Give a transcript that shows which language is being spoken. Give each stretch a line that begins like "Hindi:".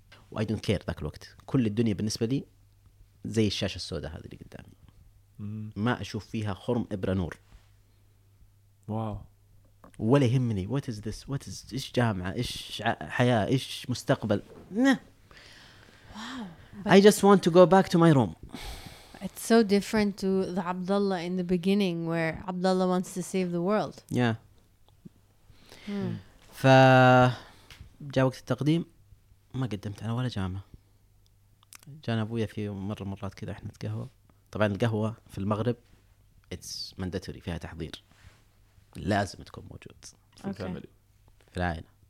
English: why don't care,
Arabic: ذاك الوقت كل الدنيا بالنسبه لي زي الشاشه السوداء هذه اللي قدامي، ما اشوف فيها خرم ابره نور. واو. ولا يهمني
English: what is this what is
Arabic: إيش جامعة إيش حياة إيش مستقبل. واو.
English: I just want to go back to my room. It's so different to the Abdullah in the beginning where Abdullah wants to save the world. Yeah.
Arabic: فا جاء وقت التقديم ما قدمت أنا ولا جامعة. جانا أبويا في مرة مرات كذا إحنا نتقهوى، طبعا القهوة في المغرب
English: it's mandatory
Arabic: فيها تحضير. لازم تكون موجود في العائلة.